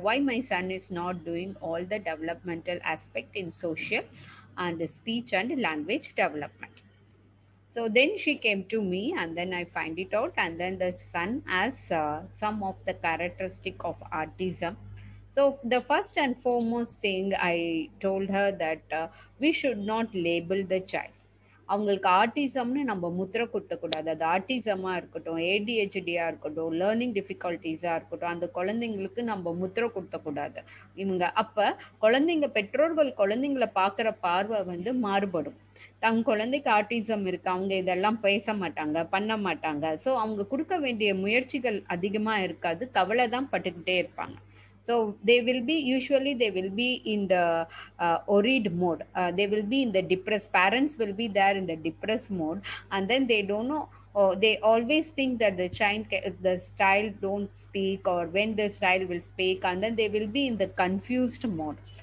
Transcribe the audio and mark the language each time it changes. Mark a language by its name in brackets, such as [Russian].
[English] Why my son is not doing all the developmental aspect in social and speech and language development? So then she came to me, and then I find it out, and then the son has some of the characteristic of autism. So the first and foremost thing I told her that we should not label the child. [Tamil] அவங்களுக்கு ஆர்டிசம்னு நம்ம முத்திர குத்தக்கூடாது. அது ஆர்டிசமாக இருக்கட்டும், ஏடிஹெச்டியாக இருக்கட்டும், learning டிஃபிகல்ட்டிஸாக இருக்கட்டும், அந்த குழந்தைங்களுக்கு நம்ம முத்திர குத்தக்கூடாது. இவங்க அப்போ குழந்தைங்க பெற்றோர்கள் குழந்தைங்களை பார்க்குற பார்வை வந்து மாறுபடும். தங்க குழந்தைக்கு ஆர்டிசம் இருக்கு, அவங்க இதெல்லாம் பேச மாட்டாங்க பண்ண மாட்டாங்க. ஸோ அவங்க கொடுக்க வேண்டிய முயற்சிகள் அதிகமாக இருக்காது, கவலை தான் பட்டுக்கிட்டே இருப்பாங்க. [English] So they will be, usually they will be in the worried mode. They will be in the depressed, parents will be there in the depressed mode. And then they don't know, they always think that the child don't speak, or when the child will speak, and then they will be in the confused mode.